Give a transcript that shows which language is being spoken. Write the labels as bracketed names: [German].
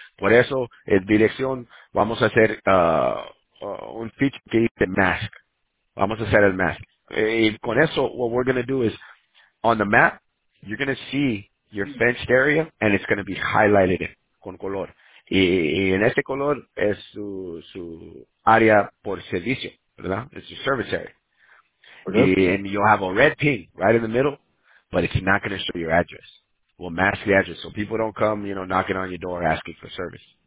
[Spanish] Por eso, en dirección, vamos a hacer un pitch que dice mask. Vamos a hacer el mask. [English] And [Spanish] con eso, [English] what we're going to do is on the map, you're going to see your fenced area, and it's going to be highlighted [Spanish] con color. Y en este color es su área por servicio, ¿verdad? [English] It's your service area. Okay. And you'll have a red ping right in the middle, but it's not going to show your address. We'll mask the address so people don't come, knocking on your door asking for service.